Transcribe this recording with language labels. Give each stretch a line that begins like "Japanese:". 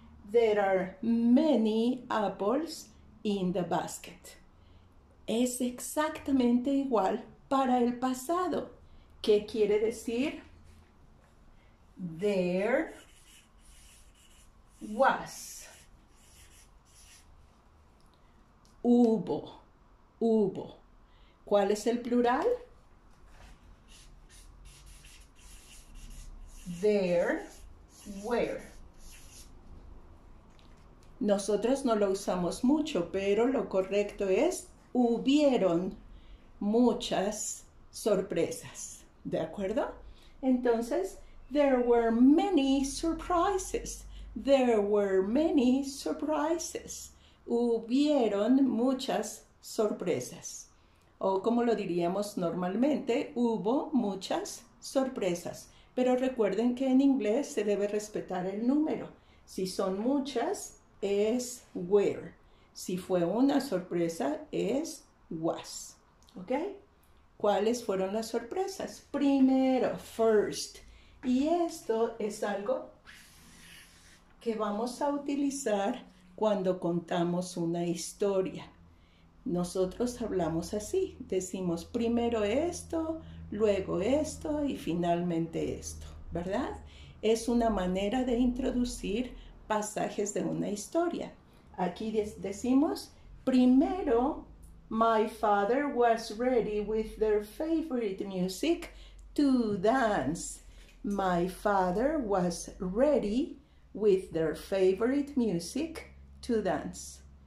English: There are many apples in the basket.
Spanish: Es exactamente igual para el pasado. ¿Qué quiere decir?
English: There was.
Spanish: Hubo, hubo. ¿Cuál es el plural?
English: There were.
Spanish: Nosotros no lo usamos mucho, pero lo correcto es hubieron muchas sorpresas. ¿De acuerdo?
English: Entonces, there were many surprises. There were many surprises.
Spanish: Hubieron muchas sorpresas. O como lo diríamos normalmente, hubo muchas sorpresas. Pero recuerden que en inglés se debe respetar el número. Si son muchas, es were. Si fue una sorpresa, es was. ¿Ok? ¿Cuáles fueron las sorpresas? Primero, first. Y esto es algo que vamos a utilizar cuando contamos una historia. Nosotros hablamos así, decimos primero esto, luego esto y finalmente esto, ¿verdad? Es una manera de introducir pasajes de una historia. Aquí decimos, primero,
English: my father was ready with their favorite music to dance. My father was ready with their favorite music to dance.